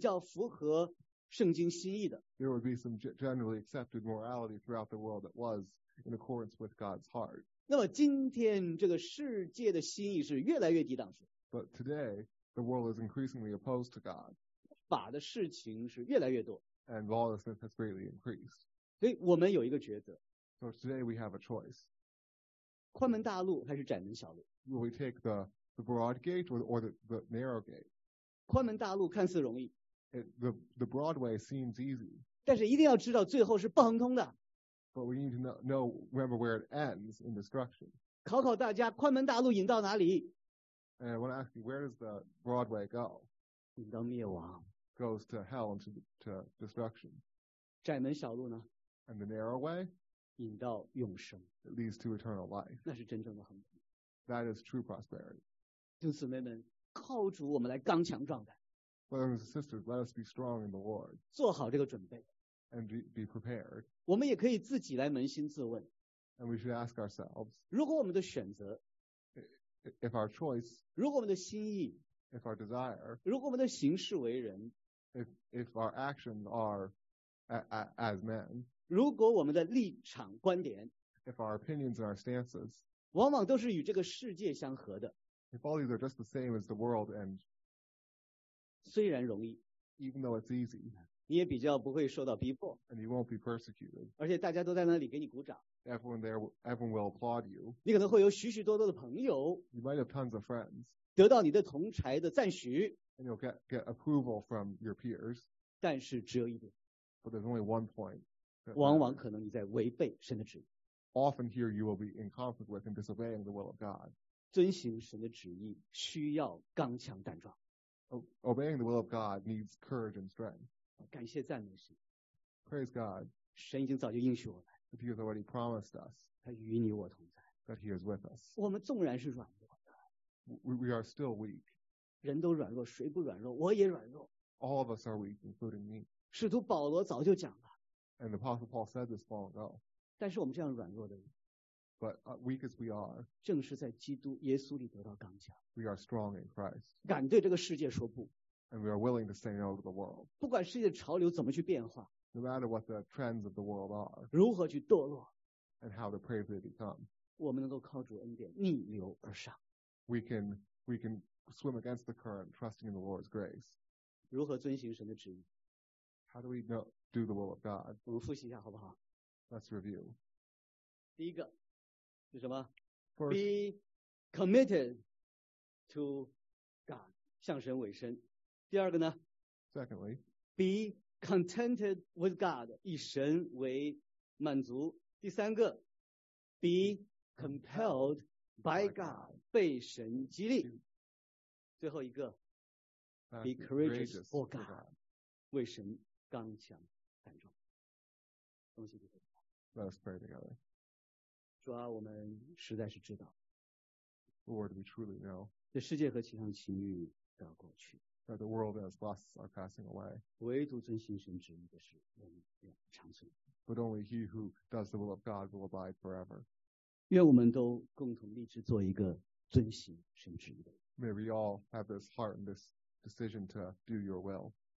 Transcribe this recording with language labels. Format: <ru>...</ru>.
<zh>在这世界上面还有一些基本的天理人伦是比较符合圣经心意的,</zh> <en>there would be some generally accepted morality throughout the world that was in accordance with God's heart.</en> <zh>那么今天这个世界的心意是越来越抵挡神,</zh> <en>but today, the world is increasingly opposed to God.</en> <zh>法的事情是越来越多,</zh> <en>and lawlessness has greatly increased.</en> <zh>所以我们有一个抉择,</zh> <en>so today we have a choice.</en> <zh>宽门大路还是窄门小路?</zh> <en>Will we take the broad gate or the narrow gate?</en> <zh>宽门大路看似容易,</zh> <en>the broad way seems easy.</en> <zh>但是一定要知道最后是不亨通的,</zh> <en>but we need to know, remember where it ends in destruction.</en> <zh>考考大家, 宽门大路引到哪里?</zh> <en>And I want to ask you, where does the broad way go?</en> <zh>引到灭亡,</zh> <en>goes to hell and to destruction.</en> <zh>窄门小路呢?</zh> <en>And the narrow way?</en> <zh>引到永生,</zh> <en>it leads to eternal life.</en> <zh>那是真正的亨通,</zh> <en>that is true prosperity.</en> <zh>弟兄姊妹们, 靠主我们来刚强壮胆,</zh> <en>brothers and sisters, let us be strong in the Lord.</en> <zh>做好这个准备,</zh> <en>and be prepared.</en> <zh>我们也可以自己来扪心自问,</zh> <en>and we should ask ourselves,</en> <zh>如果我们的选择,</zh> <en>if our choice,</en> <zh>如果我们的心意,</zh> <en>if our desire,</en> <zh>如果我们的行事为人,</zh> <en>if our actions are as men,</en> <zh>如果我们的立场观点,</zh> <en>if our opinions and our stances,</en> <zh>往往都是与这个世界相合的,</zh> <en>if all these are just the same as the world, and</en> <zh>虽然容易,</zh> <en>even though it's easy,</en> <zh>你也比较不会受到逼迫,</zh> <en>and you won't be persecuted,</en> <zh>而且大家都在那里给你鼓掌,</zh> <en>everyone will applaud you,</en> <zh>你可能会有许许多多的朋友,</zh> <en>you might have tons of friends,</en> <zh>得到你的同侪的赞许,</zh> <en>and you'll get approval from your peers,</en> <zh>但是只有一点,</zh> <en>but there's only one point,</en> <zh>往往可能你在违背神的旨意,</zh> <en>often here you will be in conflict with and disobeying the will of God.</en> <zh>遵行神的旨意需要刚强胆壮,</zh> <en>Obeying the will of God needs courage and strength.</en> <zh>感谢赞美神。</zh> <en>Praise God.</en> <zh>神已经早就应许我们。</zh> <en>He has already promised us.</en> <zh>他与你我同在。</zh> <en>That He is with us.</en> <zh>我们纵然是软弱的。</zh> <en>We are still weak.</en> <zh>人都软弱，谁不软弱？我也软弱。</zh> <en>All of us are weak, including me.</en> <zh>使徒保罗早就讲了。</zh> <en>And the Apostle Paul said this long ago.</en> <zh>但是我们这样软弱的人。</zh> <en>But weak as we are,</en> <zh>正是在基督耶稣里得到刚强。</zh> <en>We are strong in Christ.</en> <zh>敢对这个世界说不。</zh> <en>And we are willing to say no to the world.</en> <zh>不管世界潮流怎么去变化。</zh> <en>No matter what the trends of the world are.</en> <zh>如何去堕落。</zh> <en>And how to pray for it to become.</en> <zh>我们能够靠主恩典逆流而上。</zh> <en>We can swim against the current, trusting in the Lord's grace.</en> <zh>如何遵行神的旨意。</zh> <en>How do we know, do the will of God?</en> <zh>我们复习一下好不好。</zh> <en>Let's review.</en> <zh>第一个。是什么</zh> <en>First, Be committed to God,</en> <zh>向神委身。第二个呢</zh> <en>Secondly, Be contented with God,</en> <zh>以神为满足。第三个</zh> <en>Be compelled by God,</en> <zh>被神激励。最后一个</zh> <en>Be courageous for God,</en> <zh>为神刚强胆壮。东西就可以</zh> <en>了。Let us pray together.</en> <zh>主啊，我们实在是知道。</zh> <en>Lord, we truly know.</en> <zh>这世界和其上情欲都要过去。</zh> <en>That the world and its lusts are passing away.</en> <zh>唯独遵行神旨意的是永远长存。</zh> <en>But only he who does the will of God will abide forever.</en> <zh>愿我们都共同立志做一个遵行神旨意的。</zh> <en>May we all have this heart and this decision to do your will.</en>